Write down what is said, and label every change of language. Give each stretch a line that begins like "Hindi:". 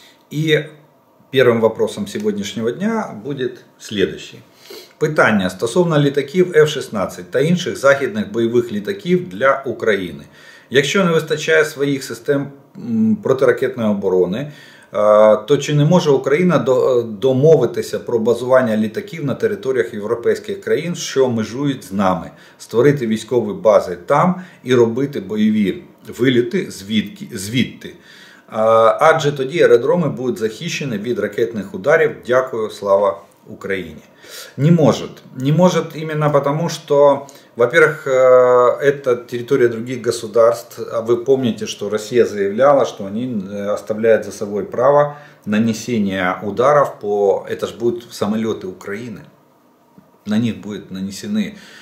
Russian: И первым вопросом сегодняшнего дня будет следующий.
Ukrainian: Питання: стосовно літаків F-16 та інших західних бойових літаків для України. Якщо не вистачає своїх систем протиракетної оборони, то чи не може Україна домовитися про базування літаків на територіях європейських країн, що межують з нами, створити військові бази там і робити бойові виліти звідти? Адже тоді аеродроми будуть захищені від ракетних ударів. Дякую, слава Україні.
Russian: Не может. Не может именно потому, что, во-первых, это территория других государств. А вы помните, что Россия заявляла, что они оставляют за собой право нанесения ударов по... Это же будут самолеты Украины. На них будет нанесены...